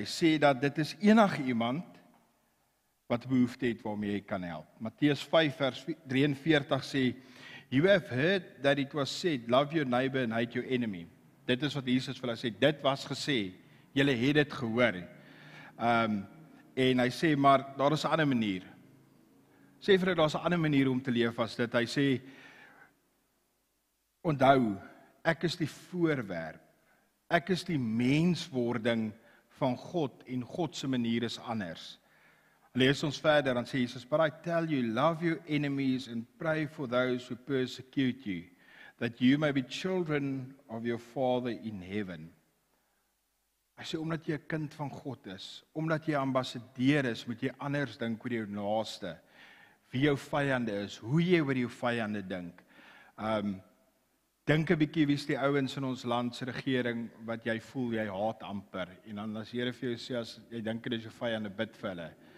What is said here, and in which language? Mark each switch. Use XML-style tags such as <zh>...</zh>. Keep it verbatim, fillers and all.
<af>Hy sê dat dit is enige iemand wat behoefte het waarmee jy kan help. Matteus vyf vers drieënveertig sê,</af> <en>"You have heard that it was said, love your neighbor and hate your enemy."</en> <af>Dit is wat Jesus vir hulle sê, dit was gesê, julle het dit gehoor. Um, en hy sê, maar daar is 'n ander manier. Sê vir hulle, daar is 'n ander manier om te leef as dit. Hy sê, onthou, ek is die voorwerp. Ek is die menswording van God en God se manier is anders. Lees ons verder, dan sê Jesus,</af> <en>but I tell you, love your enemies and pray for those who persecute you. That you may be children of your Father in heaven.</en> <af>Hy sê, omdat jy 'n kind van God is, omdat jy 'n ambassadeur is, moet jy anders dink oor jou naaste, wie jou vyande is, hoe jy oor jou vyande dink. Um, dink 'n bietjie wie's die ouens in ons land se regering wat jy voel jy haat amper, en dan as Here vir jou sê as jy dink dit is jou vyande, bid vir hulle.</af>